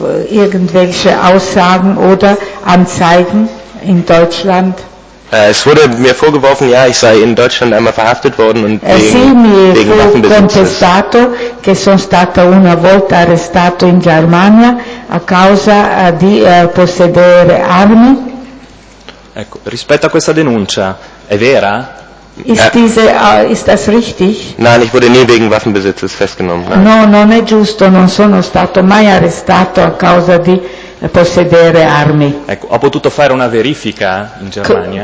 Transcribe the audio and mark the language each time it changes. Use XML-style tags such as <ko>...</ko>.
<de>Irgendwelche Aussagen oder Anzeigen in Deutschland? Es wurde mir vorgeworfen, ja, ich sei in Deutschland einmal verhaftet worden und wegen Waffenbesitzes.</de> <it>Sì, mi che sono stato una volta arrestato in Germania a causa di possedere armi. Ecco, rispetto a questa denuncia, è vera?</it> <de>Ist das richtig? Nein, ich wurde nie wegen Waffenbesitzes festgenommen.</de> <it>No, non è giusto, non sono stato mai arrestato a causa di possedere armi. Ecco, ho potuto fare una verifica in Germania.</it>